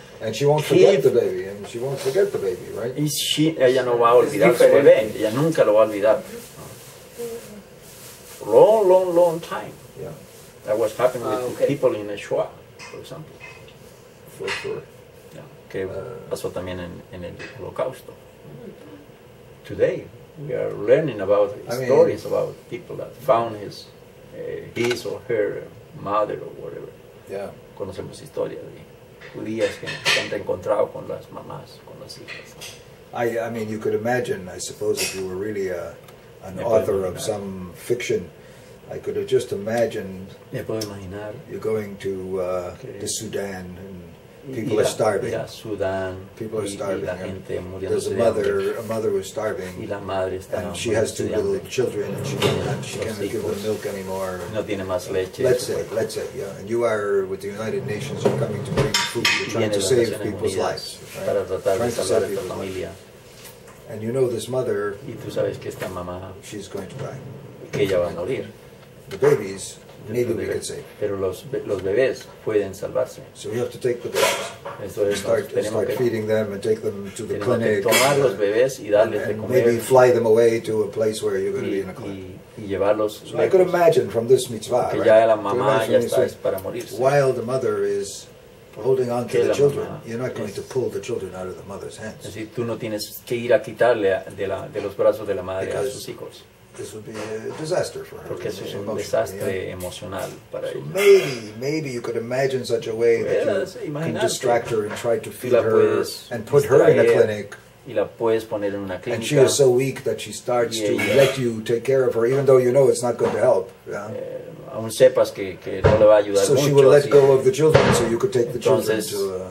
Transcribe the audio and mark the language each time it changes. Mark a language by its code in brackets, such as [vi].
[en] And she won't forget the baby, and she won't forget the baby, right? [es] Ella no va a olvidar su bebé, ella nunca lo va a olvidar. [en] Long, long, long time. That was happening with people in Echar, for example. For sure. [es] Yeah. Que pasó también en el Holocausto. [en] Today, we are learning about stories about people that found his or her mother or whatever. Yeah. [es] Conocemos historias de judías que se han encontrado con las mamás, con las hijas. [en] I mean, you could imagine, I suppose, if you were really an author of some fiction, I could have just imagined you're going to the Sudan and people are starving. Sudan, people are starving. There's a mother who's starving, [es] y la madre está [en] and she has two little children, and she cannot give them milk anymore. [es] No tiene más leche, [en] let's say, yeah. And you are with the United Nations, you're coming to bring food, you're trying to save people's lives. And you know this mother, [es] y tú sabes que esta mamá, [en] she's going to die. [es] Que ella va a morir. [en] The babies, maybe we could say. [es] Pero los bebés pueden salvarse. [en] So we have to take the babies. Start feeding them and take them to the clinic. [es] Tomar los bebés y darles de comer. [en] Maybe fly them away to a place where you're going to be in a clinic. [es] Y llevarlos. [en] So I could imagine from this mitzvah, [es] que ya la mamá ya está para morirse. [en] While the mother is holding on to the children, you're not going to pull the children out of the mother's hands. [es] Así tú no tienes que ir a quitarle de los brazos de la madre a sus hijos. [en] This would be a disaster for her. [es] Porque eso es un desastre emocional para ella. [en] Maybe you could imagine such a way that you can distract her and try to feed her and put her in a clinic. [es] Y la puedes poner en una clínica. [en] And she is so weak that she starts to let you take care of her, even though you know it's not going to help. Yeah? [es] Aún sepas que no le va a ayudar [en] so [es] mucho. [en] So she will let go of the children, so you could take the children to.